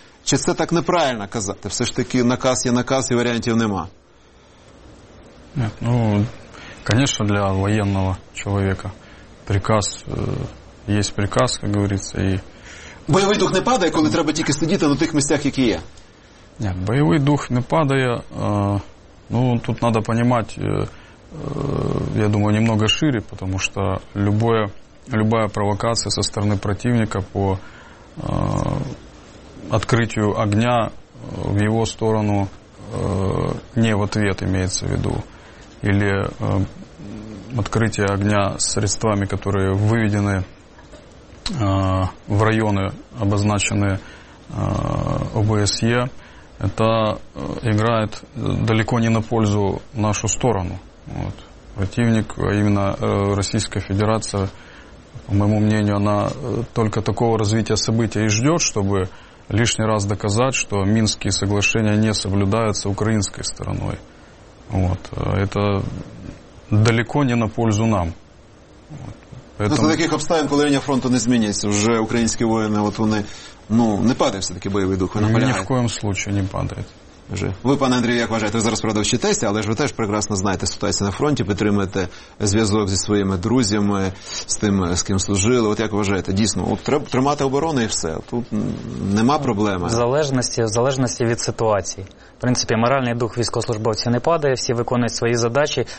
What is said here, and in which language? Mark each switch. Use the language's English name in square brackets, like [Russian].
[Ukrainian] Чи це так неправильно казати? Все ж таки наказ є наказ і варіантів нема. Ну, звісно, для воєнного чоловіка приказ, є приказ, як говориться. І... Бойовий дух не падає, коли треба тільки сидіти на тих місцях, які є? Ні, бойовий дух не падає. Ну, тут треба розуміти, я думаю, [Russian] немного шире, потому что любая провокация со стороны противника по открытию огня в его сторону не в ответ имеется в виду, или открытие огня средствами, которые выведены в районы, обозначенные ОБСЕ, это играет далеко не на пользу нашу сторону. Вот. Противник, а именно Российская Федерация, по моему мнению, она только такого развития событий и ждет, чтобы лишний раз доказать, что Минские соглашения не соблюдаются украинской стороной. Вот. Это далеко не на пользу нам. Вот. Поэтому... Но [Ukrainian] за таких обставин, [Russian] когда линия фронта не изменится, уже украинские воины, вот они, ну, не падают все-таки боевые духи? Наполяют. Ни в коем случае не падают. [Ukrainian] Ви, пане Андрію, як вважаєте, ви зараз, правда, вчитеся, але ж ви теж прекрасно знаєте ситуацію на фронті, підтримуєте зв'язок зі своїми друзями, з тим, з ким служили. От як вважаєте, дійсно, от треба тримати оборону і все. Тут нема проблеми. В залежності від ситуації. В принципі, моральний дух військовослужбовців не падає, всі виконують свої задачі.